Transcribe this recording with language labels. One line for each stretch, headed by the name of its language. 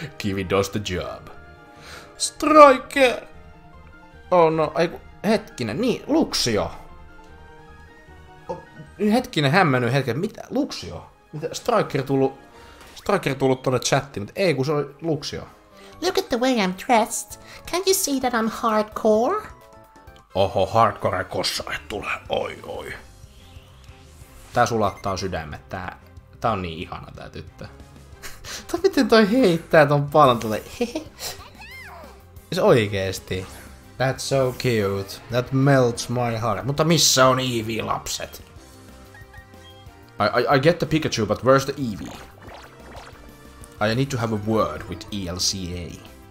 English: Kivi does the job.
Finnish: Striker!
English: Oh no,
Finnish: hetkinen, niin, Luxio! Hetkinen, hämmennyt hetken, mitä? Luxio? Mitä? Striker tullut tonne chattiin, mutta ei, kun se oli Luxio.
English: Look at the way I'm dressed. Can't you see that I'm hardcore?
Finnish: Oho, hardcore ei koskaan tule, oi. Tää sulattaa sydämet, tää on niin ihana tää tyttö. Tai miten toi heittää ton palan tuolle, oikeesti.
English: That's so cute. That melts my heart.
Finnish: Mutta missä on Eevee-lapset?
English: I get the Pikachu, but where's the Eevee? I need to have a word with ELCA.